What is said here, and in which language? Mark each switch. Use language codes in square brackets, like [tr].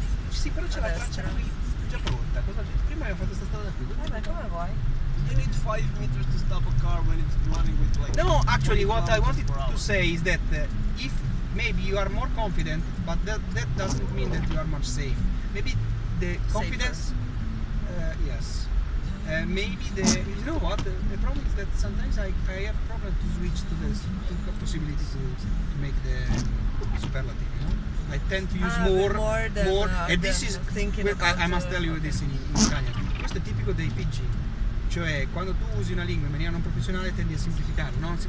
[it] Sì, però c'è la traccia qui già pronta. Cosa c'è? Prima ho fatto questa strada qui. Ma come vuoi? [en] You need 5 meters to stop a car when it's running with like. No, actually, what I wanted to say is that if maybe you are more confident, but that doesn't mean that you are much safe. Maybe the confidence. Yes. Maybe the. You know what? The problem is that sometimes I have problem to switch to this possibility to make the superlative. You know, I tend to use more. Than and this is. Thinking well, I must tell you this in Italian. This is the typical day PG. [it] Cioè, quando tu usi una lingua in maniera non professionale tendi a semplificare, no?